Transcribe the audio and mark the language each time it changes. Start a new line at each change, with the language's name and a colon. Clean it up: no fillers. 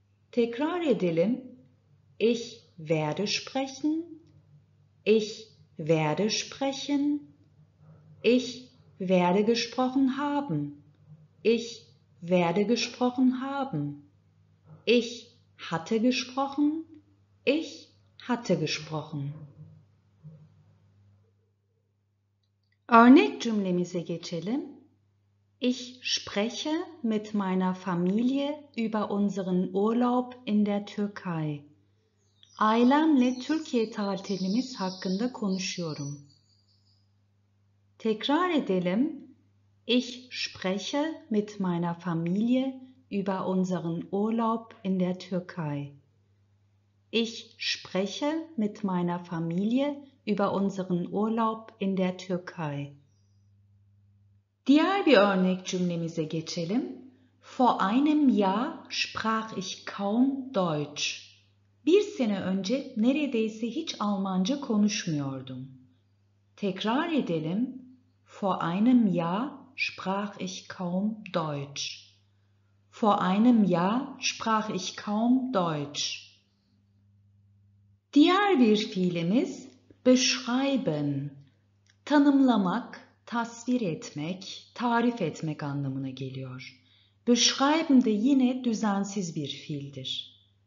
Turkish: Tekrar edelim,
German: ich werde sprechen, ich werde sprechen, ich werde gesprochen haben, ich werde gesprochen haben. Ich hatte gesprochen, ich hatte gesprochen.
Turkish: Örnek cümlemize geçelim.
German: Ich spreche mit meiner Familie über unseren Urlaub in der Türkei.
Turkish: Ailemle Türkiye tatilimiz hakkında konuşuyorum. Tekrar edelim.
German: Ich spreche mit meiner Familie über unseren Urlaub in der Türkei. Ich spreche mit meiner Familie über unseren Urlaub in der Türkei.
Turkish: Diğer bir örnek cümlemize geçelim.
German: Vor einem Jahr sprach ich kaum Deutsch.
Turkish: Bir sene önce neredeyse hiç Almanca konuşmuyordum. Tekrar edelim.
German: Vor einem Jahr sprach ich kaum Deutsch. Vor einem Jahr sprach ich kaum Deutsch.
Turkish: Diğer bir fiilimiz beschreiben, tanımlamak, tasvir etmek, tarif etmek anlamına geliyor. Beschreiben de yine düzensiz bir fiildir.